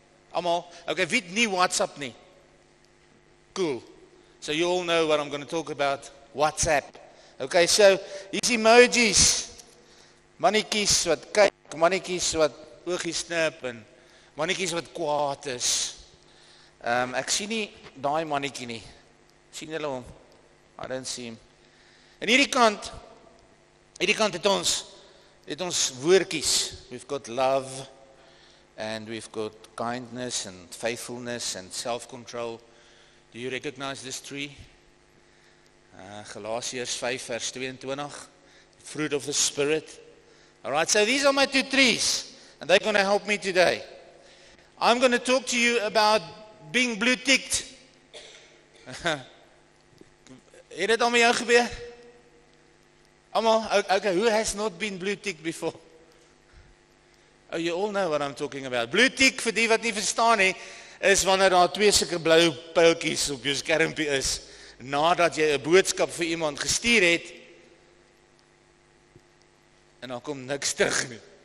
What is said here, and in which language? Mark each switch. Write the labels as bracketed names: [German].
[Afrikaans] Allemaal, okay, wie het nie WhatsApp nie? [English] Cool, so you all know what I'm going to talk about, WhatsApp. [Afrikaans] Okay, so, hier is emojis, manniekies wat kyk, manniekies wat oogie snip, en manniekies wat kwaad is. Ek sien nie die manniekie nie, sien julle hom? [English] I don't see him. [Afrikaans] En hierdie kant het ons, het ons woordkies, [English] we've got love, and we've got kindness, and faithfulness, and self-control. Do you recognize this tree? Galatians 5 verse 22, fruit of the spirit. Alright, so these are my two trees, and they're going to help me today. I'm going to talk to you about being blue-ticked. [Afrikaans] Het dit al met jou gebeur? [English] Amal, okay, who has not been blue-ticked before? Oh, you all know what I'm talking about. [Afrikaans] Blue-tick, vir die wat nie verstaan nie, is wanneer daar twee sulke blou pijltjies op jou skermpie is, nadat jy 'n boodskap vir iemand gestuur het, en daar kom niks terug nie.